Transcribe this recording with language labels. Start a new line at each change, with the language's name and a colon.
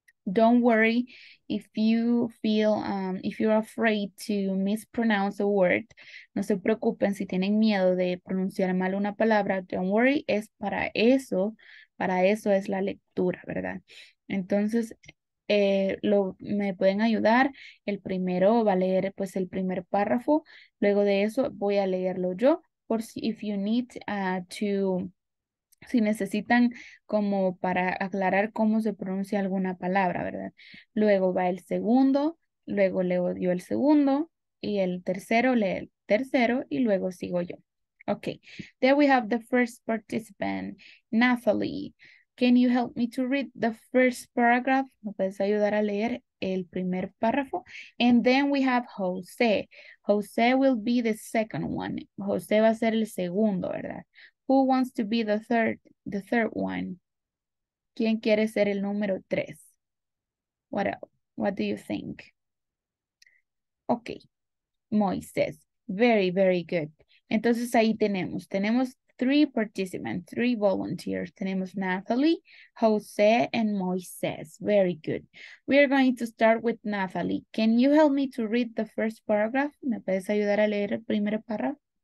English: Don't worry if you feel, if you're afraid to mispronounce a word.
Spanish: No se preocupen si tienen miedo de pronunciar mal una palabra.
English: Don't worry,
Spanish: es para eso. Para eso es la lectura, ¿verdad? Entonces, me pueden ayudar. El primero va a leer, pues, el primer párrafo. Luego de eso voy a leerlo yo. Por si,
English: if you need to,
Spanish: si necesitan como para aclarar cómo se pronuncia alguna palabra, ¿verdad? Luego va el segundo, luego leo yo el segundo, y el tercero lee el tercero, y luego sigo yo.
English: Okay, there we have the first participant, Nathalie. Can you help me to read the first paragraph?
Spanish: ¿Me puedes ayudar a leer el primer párrafo?
English: And then we have Jose. Jose will be the second one.
Spanish: Jose va a ser el segundo, ¿verdad?
English: Who wants to be the third one?
Spanish: ¿Quién quiere ser el número tres?
English: What do you think? Okay.
Spanish: Moises.
English: Very, very good.
Spanish: Entonces ahí tenemos
English: three participants, three volunteers.
Spanish: Tenemos
English: Nathalie, Jose, and Moises. Very good. We are going to start with Nathalie. Can you help me to read the first paragraph?
Spanish: ¿Me puedes ayudar a leer el primer párrafo?